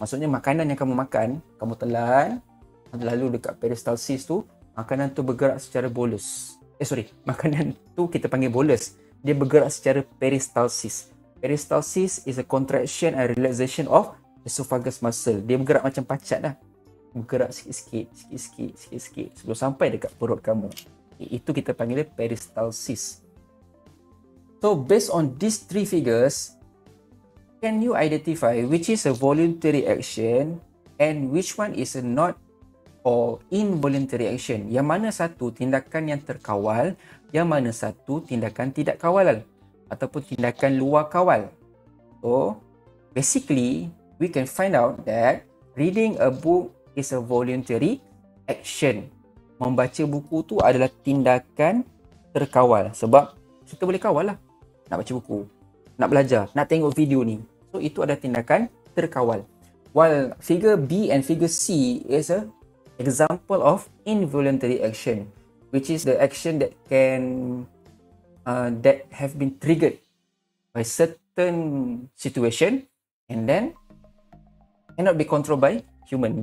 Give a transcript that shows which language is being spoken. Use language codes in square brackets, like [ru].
[ms] Maksudnya makanan yang kamu makan, kamu telan, lalu dekat peristalsis tu, makanan tu bergerak secara bolus. Makanan tu kita panggil bolus. Dia bergerak secara peristalsis. [en] Peristalsis is a contraction and relaxation of esophagus muscle. [ms] Dia bergerak macam pacat lah. Bergerak sikit-sikit sebelum sampai dekat perut kamu. Itu kita panggil peristalsis. [en] So, based on these three figures, can you identify which is a voluntary action and which one is a not or involuntary action? [ms] Yang mana satu tindakan yang terkawal, yang mana satu tindakan tidak kawalan ataupun tindakan luar kawal? [en] So, basically, we can find out that reading a book is a voluntary action. [ms] Membaca buku tu adalah tindakan terkawal sebab kita boleh kawal lah. Nak baca buku, nak belajar, nak tengok video ni. So, itu adalah tindakan terkawal. [en] While figure B and figure C is a example of involuntary action, which is the action that can that have been triggered by certain situation and then cannot be controlled by human.